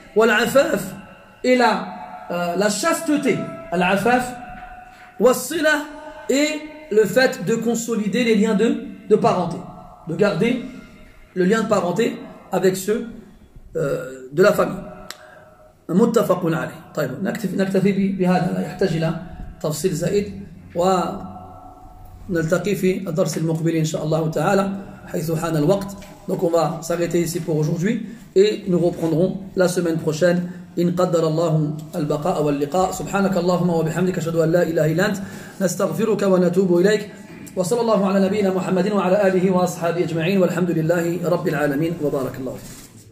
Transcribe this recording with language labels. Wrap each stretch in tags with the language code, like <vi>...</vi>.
<ar>Wa al-afaf,</ar> <fr>et la chasteté. Al-afaf.</fr> <ar>Wa as-silah,</ar> <fr>et le fait de consolider les liens de parenté. De garder le lien de parenté avec ceux de la famille.</fr> <ar>متفق عليه. طيب نكتفي بهذا لا يحتاج إلى تفصيل زائد ونلتقي في الدرس المقبل إن شاء الله تعالى حيث حان الوقت.</ar> <fr>Donc on va s'arrêter ici pour aujourd'hui et nous reprendrons la semaine prochaine</fr> <ar>إن قدر الله البقاء واللقاء. سبحانك اللهم وبحمدك أشهد أن لا إله إلا أنت نستغفرك ونتوب إليك وصلى الله على نبينا محمد وعلى آله وأصحابه أجمعين والحمد لله رب العالمين وبارك الله فيك.</ar>